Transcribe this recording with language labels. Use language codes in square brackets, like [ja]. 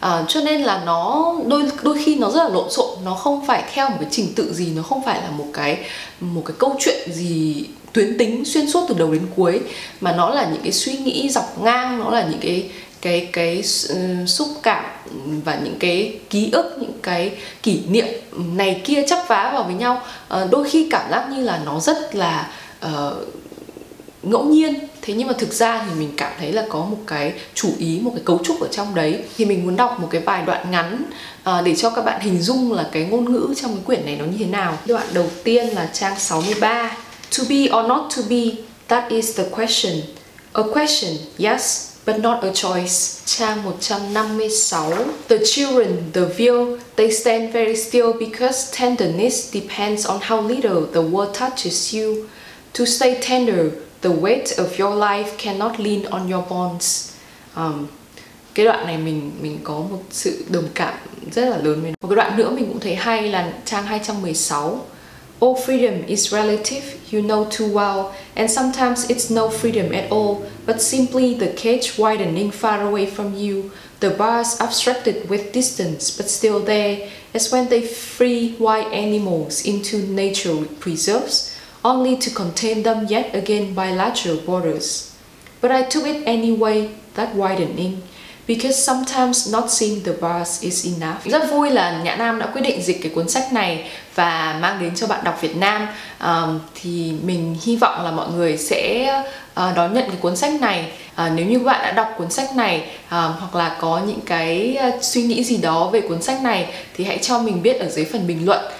[vi] Cho nên là nó đôi khi nó rất là lộn xộn, nó không phải theo một cái trình tự gì, nó không phải là một cái câu chuyện gì tuyến tính xuyên suốt từ đầu đến cuối, mà nó là những cái suy nghĩ dọc ngang, nó là những cái xúc cảm và những cái ký ức, những cái kỷ niệm này kia chắp vá vào với nhau, đôi khi cảm giác như là nó rất là ngẫu nhiên. Thế nhưng mà thực ra thì mình cảm thấy là có một cái chủ ý, một cái cấu trúc ở trong đấy. Thì mình muốn đọc một cái vài đoạn ngắn để cho các bạn hình dung là cái ngôn ngữ trong cái quyển này nó như thế nào. Đoạn đầu tiên là trang 63. [en] To be or not to be, that is the question. A question, yes, but not a choice. [vi] Trang 156. [en] The children, the veal, they stand very still because tenderness depends on how little the world touches you. To stay tender, the weight of your life cannot lean on your bones. [vi] Cái đoạn này mình có một sự đồng cảm rất là lớn. Một cái đoạn nữa mình cũng thấy hay là trang 216. [en] All freedom is relative, you know too well, and sometimes it's no freedom at all, but simply the cage widening far away from you, the bars abstracted with distance but still there, as when they free wild animals into nature preserves, only to contain them yet again by larger borders. But I took it anyway, that widening, because sometimes not seeing the bars is enough. [vi] Rất vui là Nhã Nam đã quyết định dịch cái cuốn sách này và mang đến cho bạn đọc Việt Nam. Thì mình hy vọng là mọi người sẽ đón nhận cái cuốn sách này. Nếu như bạn đã đọc cuốn sách này hoặc là có những cái suy nghĩ gì đó về cuốn sách này thì hãy cho mình biết ở dưới phần bình luận.